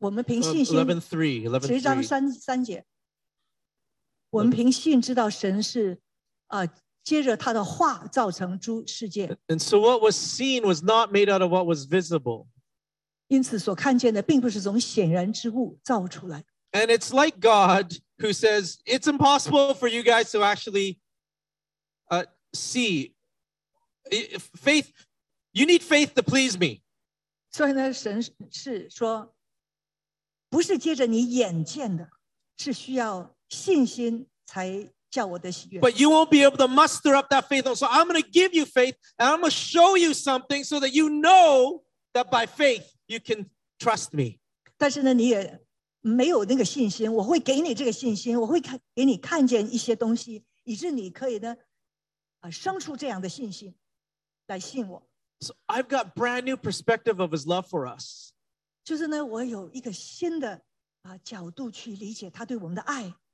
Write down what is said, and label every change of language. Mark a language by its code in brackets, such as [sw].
[zh] 13节希伯来书是我们知道是凭着信心神来我们凭信心11:3 [en] And so what was seen was not made out of what was visible. And it's like God who says, it's impossible for you guys to actually see. Faith, You need faith to please me. [zh] 所以呢，神是说，不是借着你眼见的，是需要信心才叫我的喜悦。 [en] But you won't be able to muster up that faith. So I'm going to give you faith, and I'm going to show you something so that you know that by faith you can trust me. [zh] 但是呢，你也没有那个信心，我会给你这个信心，我会给你看见一些东西，以致你可以呢，生出这样的信心来信我。 [en] So I've got brand new perspective of his love for us. [zh] 就是呢，我有一个新的角度去理解他对我们的爱。